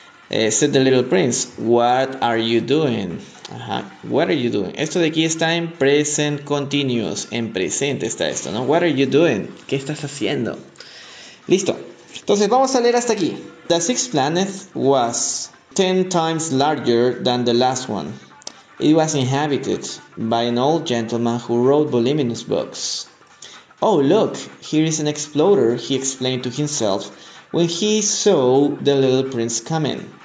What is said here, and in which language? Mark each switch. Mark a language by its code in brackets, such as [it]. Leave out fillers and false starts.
[en] Said the little prince, what are you doing? Ajá, what are you doing? [es] Esto de aquí está en present continuous, en presente está esto, ¿no? [en] What are you doing? [es] ¿Qué estás haciendo? Listo, entonces vamos a leer hasta aquí. [en] The sixth planet was 10 times larger than the last one. It was inhabited by an old gentleman who wrote voluminous books. Oh, look, here is an exploder, he explained to himself when he saw the little prince coming.